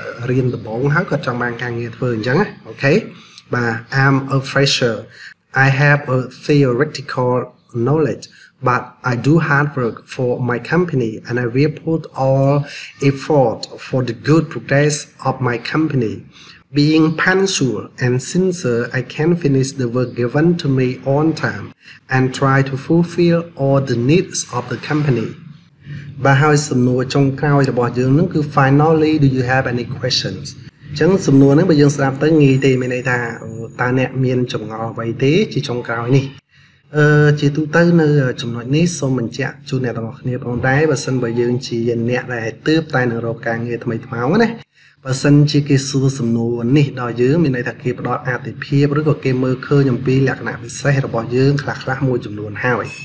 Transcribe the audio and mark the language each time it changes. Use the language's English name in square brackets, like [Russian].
[Khmer] រៀនដំបូងហើយគាត់ចង់បានការងារធ្វើអញ្ចឹងអូខេបាទ [English] I'm a fresher I have a theoretical knowledgeBut I do hard work for my company and I will put all effort for the good progress of my company. Being punctual and sincere, I can finish the work given to me on time and try to fulfill all the needs of the company. [Khmer] បាទហើយសំណួរចុងក្រោយរបស់យើងនឹងគឺ [English] Finally, do you have any questions? [Khmer] អញ្ចឹងសំណួរនេះបើយើងស្ដាប់ទៅងាយទេមានន័យថាតើអ្នកមានចម្ងល់អ្វីទេជាចុងក្រោយនេះជាទូទៅនៅចំណុចនេះសូមបញ្ជាក់ជូនអ្នកទាំងអស់គ្នាផងដែរបើសិនបើយើងជាអ្នកដែលទើបតែនឹងរកការងារថ្មីថ្មោងណាបើសិនជាគេសួរសំណួរនេះដល់យើងមានន័យថាគេផ្ដល់អតិភិបឬក៏គេមើលឃើញអំពីលក្ខណៈពិសេសរបស់យើងខ្លះៗមួយចំនួនហើយ